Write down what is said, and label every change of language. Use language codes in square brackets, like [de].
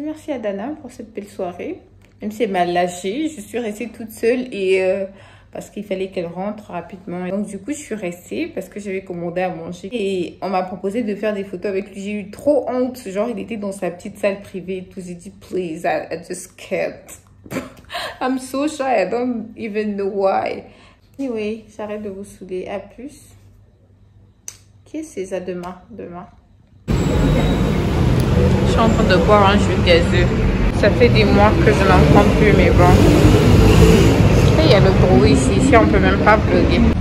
[fr] Merci à Dana pour cette belle soirée. Même si elle m'a lâchée, je suis restée toute seule et parce qu'il fallait qu'elle rentre rapidement. Donc du coup, je suis restée parce que j'avais commandé à manger. Et on m'a proposé de faire des photos avec lui. J'ai eu trop honte. Genre, il était dans sa petite salle privée. Tout, j'ai dit, [en] please, I just can't. I'm so shy, I don't even know why. [fr] Anyway, j'arrête de vous saouler. À plus. Kisses, à demain. Demain. Je suis en train de boire un jus gazeux. Ça fait des mois que je n'en prends plus, mais bon. Il y a le bruit ici, ici on peut même pas vlogger.